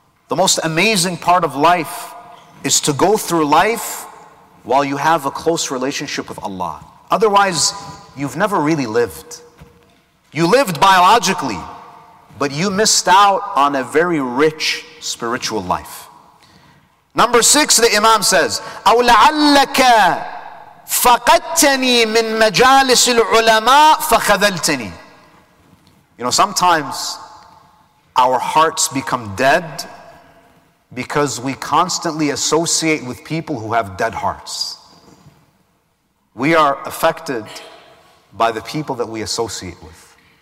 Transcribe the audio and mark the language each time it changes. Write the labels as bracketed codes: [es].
[en] The most amazing part of life is to go through life while you have a close relationship with Allah. Otherwise, you've never really lived. You lived biologically, but you missed out on a very rich spiritual life. Number six, the Imam says, [ar] أَوْ لَعَلَّكَ فَقَدْتَنِي مِنْ مَجَالِسِ الْعُلَمَاءِ فَخَذَلْتَنِي. [en] You know, sometimes our hearts become dead because we constantly associate with people who have dead hearts. We are affected by the people that we associate with.